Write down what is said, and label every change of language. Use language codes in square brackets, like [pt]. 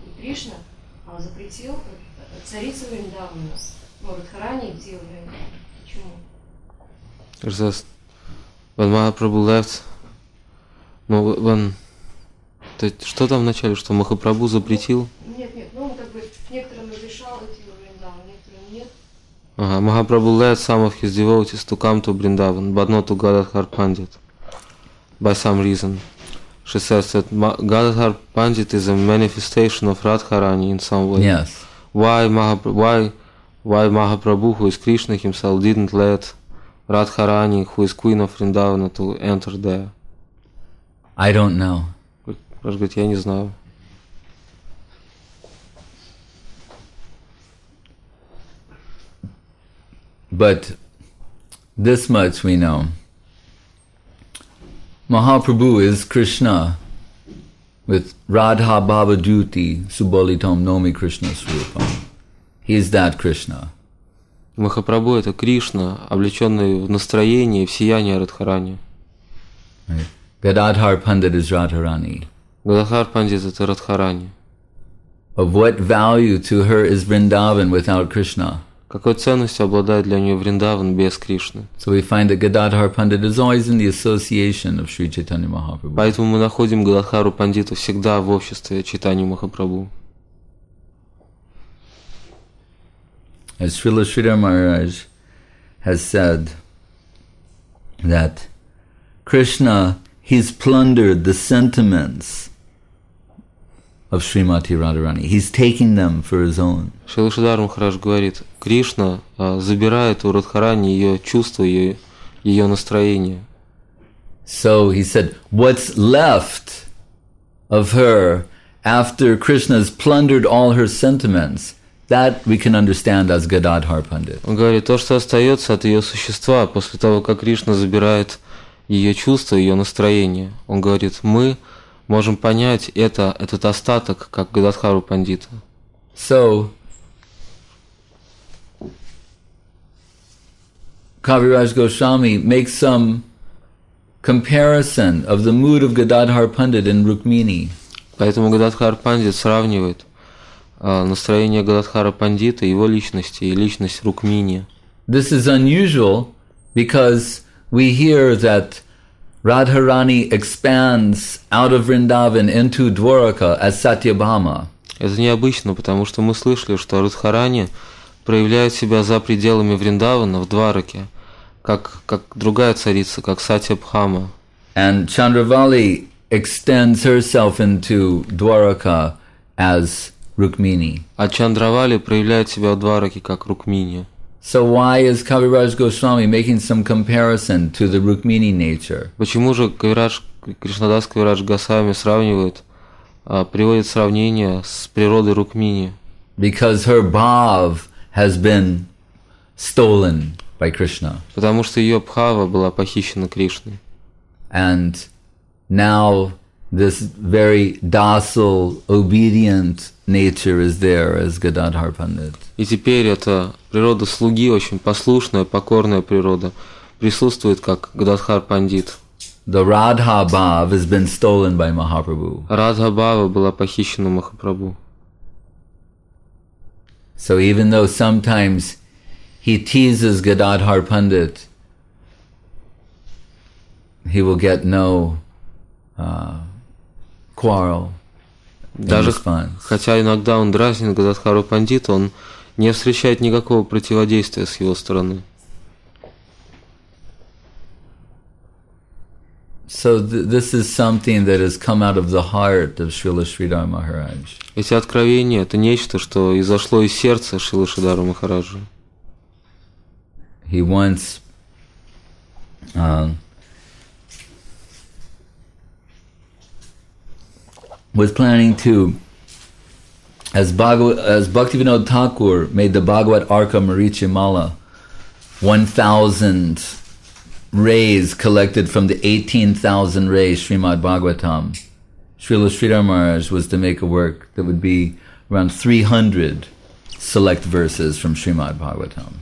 [ru] И Кришна запретил царицу Вриндавана, но Радхарани идти во Вриндаван. Почему? [en] When Mahaprabhu left, no, when, [ru] то есть, что там вначале, что Махапрабху запретил? Нет, ну он как бы некоторым разрешал идти во Вриндаван, некоторым нет. [en] Ага, Махапрабху left some of his devotees to come to Vrindavan, but not to Gadadhar Pandit, by some reason. She says that Gadadhar Pandit is a manifestation of Radharani in some way. Yes. Why Mahaprabhu, who is Krishna himself, didn't let Radharani, who is queen of Vrindavana, to enter there? I don't know. [ru] Раш говорит, я не знаю. [en] But this much we know. Mahaprabhu is Krishna with Radha Bhava Dhuti Subolitam Nomi Krishna Swarupam. He is that Krishna. [ru] Махапрабху – это Кришна, облеченный в настроение, в сияние Радхарани. Гададхар Пандит – это Радхарани. Гададхар Пандит – это Радхарани. [en] Of what value to her is Vrindavan without Krishna? [ru] Какой ценностью обладает для нее Вриндаван без Кришны? [en] So we find that Gadadhar Pandit is always in the association of Sri Chaitanya Mahaprabhu. [ru] Поэтому мы находим Гададхару Пандиту всегда в обществе Чайтаньи Махапрабху. [en] As Srila Sridhar Maharaj has said that Krishna, he's plundered the sentiments of Srimati Radharani. He's taking them for his own. [ru] Srila Sridhar Maharaj говорит, Кришна забирает у Радхарани ее чувства, ее настроение. [en] So he said, what's left of her after Krishna's plundered all her sentiments? That we can understand as Gadadhar Pandit. [ru] Он говорит, то, что остается от ее существа после того, как Кришна забирает ее чувства, ее настроение. Он говорит, мы можем понять этот остаток как Гададхару Пандита. [en] So, Kaviraj Goswami makes some comparison of the mood of Gadadhar Pandit in Rukmini. [ru] Поэтому Гададхар Пандит сравнивает настроение Гададхара Пандита, его личности и личность Рукмини. [en] This is unusual because we hear that Radharani expands out of Vrindavan into Dwaraka as Satyabhama. [ru] Это необычно, потому что мы слышали, что Радхарани проявляет себя за пределами Вриндавана в Двараке, как другая царица, как Сатьябхама. [en] And Chandravali extends herself into Dwaraka as Rukmini. [ru] А Чандравали проявляет себя в Двараке как Рукмини. [en] So why is Kaviraj Goswami making some comparison to the Rukmini nature? [ru] Почему же Кришнадас Кавирадж Госвами сравнивает, приводит сравнение с природой Рукмини? [en] Because her bhav has been stolen by Krishna. [ru] Потому что ее бхава была похищена Кришной. [en] And now this very docile, obedient nature is there as Gadadhar Pandit. [ru] И теперь эта природа слуги, очень послушная, покорная природа, присутствует как Гададхар Пандит. [en] The Radha Bhav has been stolen by Mahaprabhu. [ru] Радха Бхава была похищена Махапрабху. [en] So even though sometimes he teases Gadadhar Pandit, he will get no quarrel. [ru] Даже хотя иногда он дразнит Гададхару Пандита, он не встречает никакого противодействия с его стороны. [en] So this is something that has come out of the heart of Srila Sridhar Maharaj. [ru] Эти откровения – это нечто, что изошло из сердца Шрилы Шридхара Махараджа. [en] He wants was planning to As Bhaktivinoda Thakur made the Bhagavad Arka Marichimala, 1,000 rays collected from the 18,000 rays Srimad Bhagavatam, Srila Sridhar Maharaj was to make a work that would be around 300 select verses from Srimad Bhagavatam.